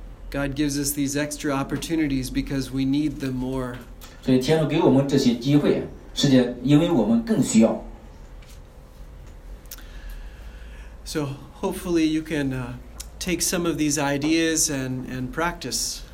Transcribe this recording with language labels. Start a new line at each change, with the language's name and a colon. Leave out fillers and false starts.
English: God gives us these extra opportunities because we need them more.
Chinese: 所以天主给我们这些机会是因为我们更需要。
English: So hopefully you can take some of these ideas and practice.